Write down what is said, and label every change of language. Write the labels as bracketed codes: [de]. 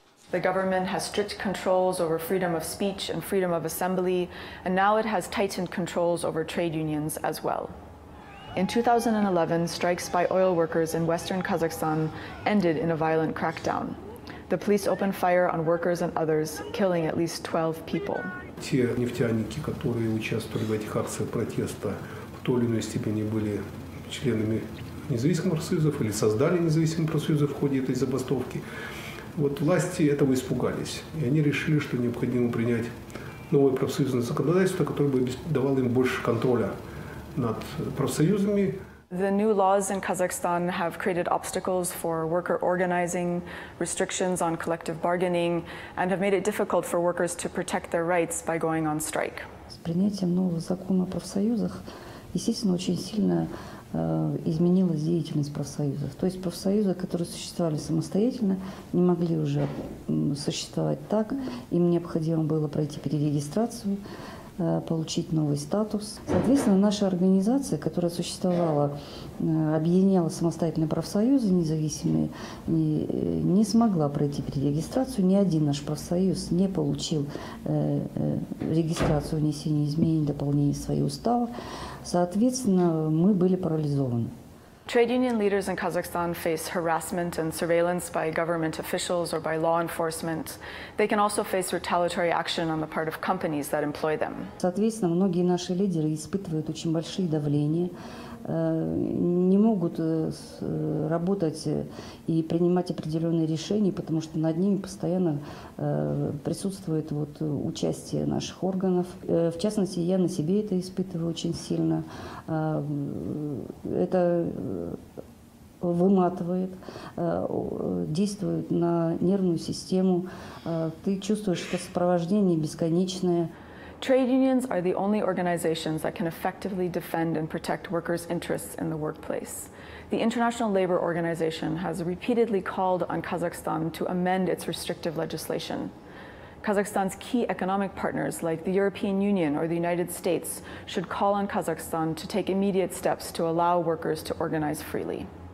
[en] The government has strict controls over freedom of speech and freedom of assembly, and now it has tightened controls over trade unions as well. In 2011, strikes by oil workers in western Kazakhstan ended in a violent crackdown. The police opened fire on workers and others, killing at least 12 people. [ru] Те нефтяники, которые участвовали в этих акциях протеста, в той или иной степени были членами независимых профсоюзов или создали независимые профсоюзы в ходе этой забастовки. Вот власти этого испугались, и они решили, что необходимо принять новое профсоюзное законодательство, которое бы давало им больше контроля. [en] The new laws in Kazakhstan have created obstacles for worker organizing, restrictions on collective bargaining, and have made it difficult for workers to protect their rights by going on strike. [ru] С принятием нового закона о профсоюзах, естественно, очень сильно изменилась деятельность профсоюзов. То есть профсоюзы, которые существовали самостоятельно, не могли уже существовать так. Им необходимо было пройти перерегистрацию. получить новый статус. Соответственно, наша организация, которая существовала, объединяла самостоятельные профсоюзы независимые, не смогла пройти перерегистрацию. Ни один наш профсоюз не получил регистрацию внесения изменений и дополнений в свои уставы. Соответственно, мы были парализованы. [en] Trade union leaders in Kazakhstan face harassment and surveillance by government officials or by law enforcement. They can also face retaliatory action on the part of companies that employ them. [ru] Соответственно, многие наши лидеры испытывают очень большие давления, не могут работать и принимать определенные решения, потому что над ними постоянно присутствует вот участие наших органов. В частности, я на себе это испытываю очень сильно. Это выматывает, действует на нервную систему. Ты чувствуешь, что сопровождение бесконечное. [en] Trade unions are the only organizations that can effectively defend and protect workers' interests in the workplace. The International Labour Organization has repeatedly called on Kazakhstan to amend its restrictive legislation. Kazakhstan's key economic partners, like the European Union or the United States, should call on Kazakhstan to take immediate steps to allow workers to organize freely.